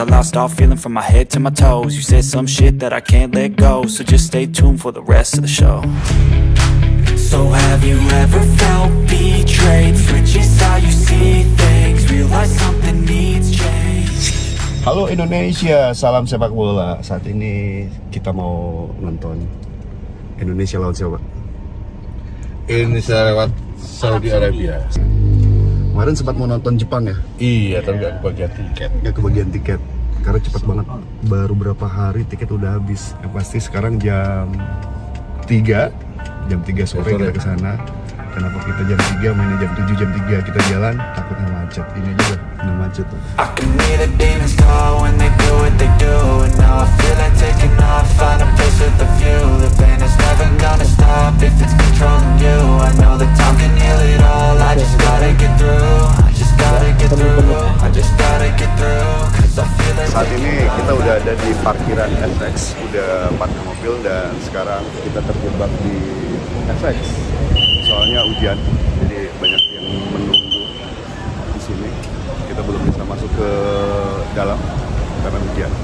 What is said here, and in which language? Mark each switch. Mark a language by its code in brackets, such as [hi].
[en] I lost all feeling from my head to my toes. You said some shit that I can't let go, so just stay tuned for the rest of the show. So have you ever felt betrayed? Switches how you see things, realize something needs change. [id] Halo Indonesia, salam sepak bola. Saat ini kita mau nonton Indonesia lawan siapa? Indonesia lewat Saudi Arabia. Kemarin sempat mau nonton Jepang ya? Iya, tapi nggak kebagian tiket. Nggak kebagian tiket, karena cepat banget. Baru berapa hari tiket udah habis. Yang pasti sekarang jam 3 sore kita kesana. Kenapa kita jam 3, mainnya jam 7, jam 3 kita jalan, takutnya macet. Ini aja udah kena macet tuh. [en] I can hear the demons call when they do what they do. And now I feel like taking off, find a place with a view. The pain is never gonna stop if it's controlling you. I know the time can heal it all, I just gotta get through. I just gotta get through, I just gotta get through. [id] Saat ini kita udah ada di parkiran FX. Udah parkir mobil dan sekarang kita terjebak di FX. Soalnya ujian, jadi banyak yang menunggu di sini. Kita belum bisa masuk ke dalam karena ujian.